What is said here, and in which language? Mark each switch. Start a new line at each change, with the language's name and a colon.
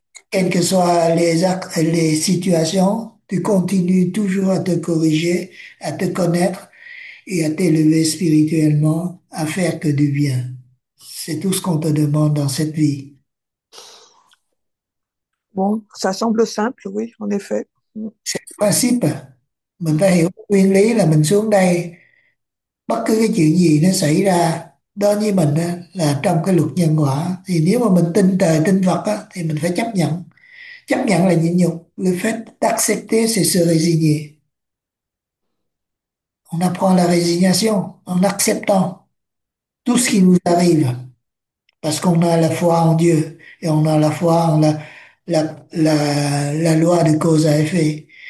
French: Quelles que soient les actes, les situations, tu continues toujours à te corriger, à te connaître et à t'élever spirituellement, à faire que du bien. C'est tout ce qu'on te demande dans cette vie. Bon, ça semble simple, oui, en effet.
Vietnamese: Principe, mình phải hiểu nguyên lý là mình xuống đây bất cứ cái chuyện gì nó xảy ra đối với mình á, là trong cái luật nhân quả, thì nếu mà mình tin trời tin Phật á, thì mình phải chấp nhận. Chấp nhận là nhịn nhục,
French: le fait d'accepter c'est se résigner, on apprend la résignation en acceptant tout ce qui nous arrive parce qu'on a la foi en Dieu et on a la foi en la loi de cause à effet.